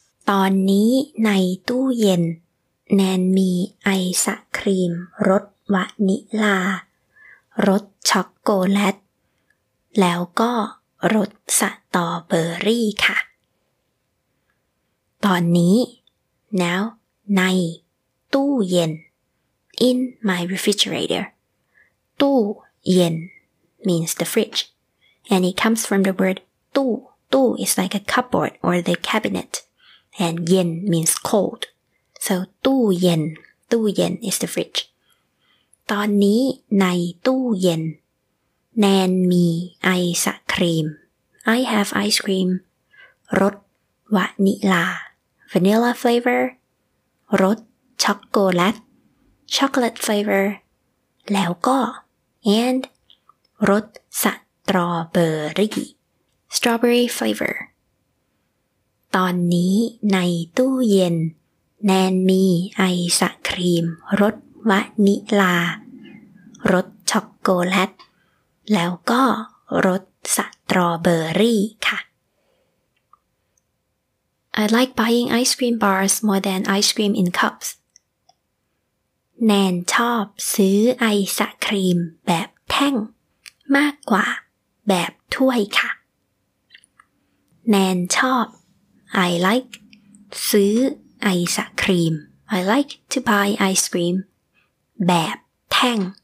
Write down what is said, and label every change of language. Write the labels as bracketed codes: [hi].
[th] ตอนนี้ในตู้เย็นแนนมีไอศกรีมรสวานิลารสช็อกโกแลตแล้วก็รสสตรอเบอรี่ค่ะตอนนี้ [en] Now [th] ในตู้เย็น [en] In my refrigerator. ตู้เย็นmeans the fridge. And it comes from the word tu. Tu is like a cupboard or the cabinet. And yen means cold. So tu yen. Tu yen is the fridge. [th] ตอนนี้ในตู้เย็นแนนมีไอศกรีม [en] I have ice cream. [th] รสวานิลา [en] Vanilla flavor. [th] รสช็อกโกแลต [en] Chocolate flavor. [th] แล้วก็ [en] and [th] รสสตรอเบอรี่ [en] strawberry flavor [th] ตอนนี้ในตู้เย็นแนนมีไอศกรีมรสวานิลารสช็อกโกแลตแล้วก็รสสตรอเบอรี่ค่ะ [en] I like buying ice cream bars more than ice cream in cups [th] แนนชอบซื้อไอศกรีมแบบแท่งมากกว่าแบบถ้วยค่ะ แนนชอบ [en] I like [th] ซื้อไอศกรีม [en] I like to buy ice cream [th] แบบแท่ง